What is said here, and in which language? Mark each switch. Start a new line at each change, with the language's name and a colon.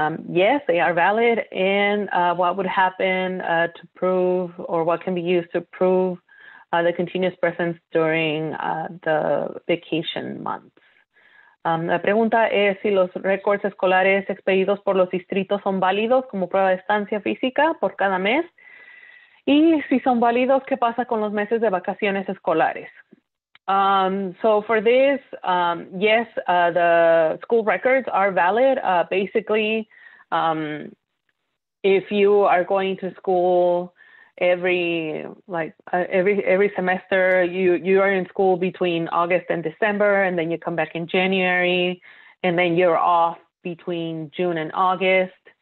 English: Yes, they are valid. And what would happen to prove, or what can be used to prove the continuous presence during the vacation months?
Spanish: La pregunta es si los récords escolares expedidos por los distritos son válidos como prueba de estancia física por cada mes. Y si son válidos, ¿qué pasa con los meses de vacaciones escolares?
English: So for this, yes, the school records are valid. Basically, if you are going to school every semester, you are in school between August and December, and then you come back in January, and then you're off between June and August.